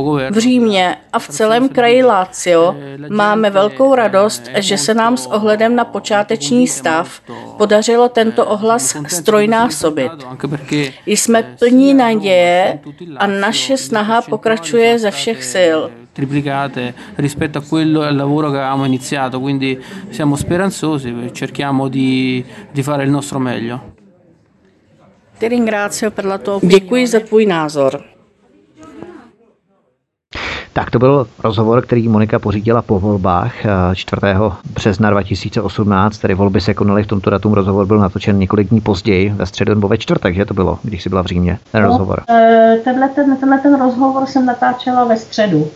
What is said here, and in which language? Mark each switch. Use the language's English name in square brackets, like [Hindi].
[Czech] V Římě a v celém kraji Lazio máme velkou radost, že se nám s ohledem na počáteční stav podařilo tento ohlas strojnásobit. Jsme plní naděje a naše snaha pokračuje ze všech sil. [Italian] Triplicate rispetto a quello al lavoro che avevamo iniziato, quindi siamo speranzosi, cerchiamo di fare il nostro meglio. Ti ringrazio per la tua opinione. [Czech] Děkuji za tvůj názor. Tak to byl rozhovor, který Monika pořídila po volbách 4. března 2018, tedy volby se konaly v tomto datum, rozhovor byl natočen několik dní později, ve středu nebo ve čtvrtek, že to bylo, když jsi byla v Římě, ten rozhovor. Tenhle ten rozhovor jsem natáčela ve středu.